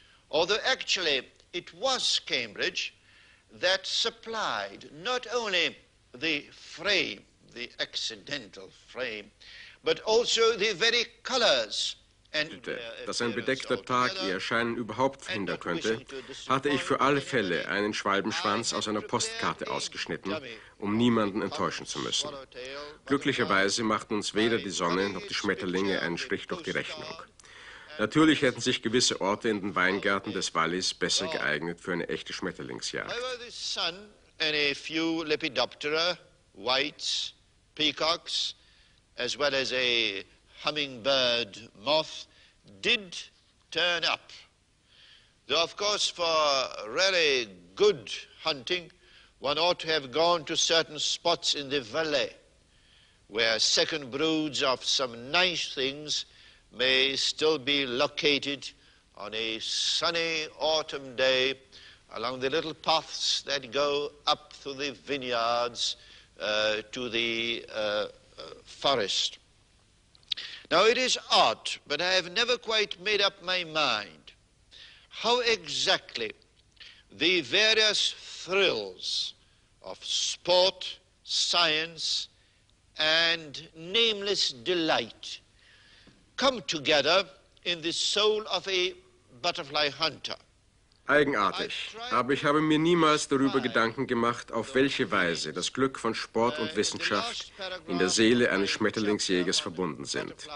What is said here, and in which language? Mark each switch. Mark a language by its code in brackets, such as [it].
[en] Although actually it was Cambridge that supplied not only the frame, the accidental frame, but also the very colors. [de] Dass ein bedeckter Tag ihr Erscheinen überhaupt verhindern könnte, hatte ich für alle Fälle einen Schwalbenschwanz aus einer Postkarte ausgeschnitten, um niemanden enttäuschen zu müssen. Glücklicherweise machten uns weder die Sonne noch die Schmetterlinge einen Strich durch die Rechnung. Natürlich hätten sich gewisse Orte in den Weingärten des Wallis besser geeignet für eine echte Schmetterlingsjagd. [en] However, the sun and a few Lepidoptera, whites, peacocks, as well as a hummingbird moth did turn up, though of course for really good hunting one ought to have gone to certain spots in the valley where second broods of some nice things may still be located on a sunny autumn day along the little paths that go up through the vineyards to the forest. Now, it is odd, but I have never quite made up my mind how exactly the various thrills of sport, science, and nameless delight come together in the soul of a butterfly hunter. [de] Eigenartig, aber ich habe mir niemals darüber Gedanken gemacht, auf welche Weise das Glück von Sport und Wissenschaft in der Seele eines Schmetterlingsjägers verbunden sind.